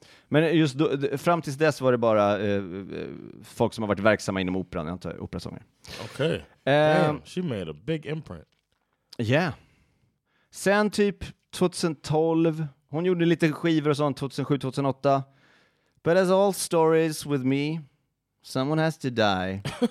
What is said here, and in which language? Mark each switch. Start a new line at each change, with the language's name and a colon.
Swedish: Men just då, fram tills dess var det bara folk som har varit verksamma inom operan, jag antar, operasånger.
English: Okay. Damn, she made a big imprint. Yeah.
Swedish: Sen typ 2012. Hon gjorde lite skivor och sånt 2007-2008.
English: But as all stories with me, someone has to die.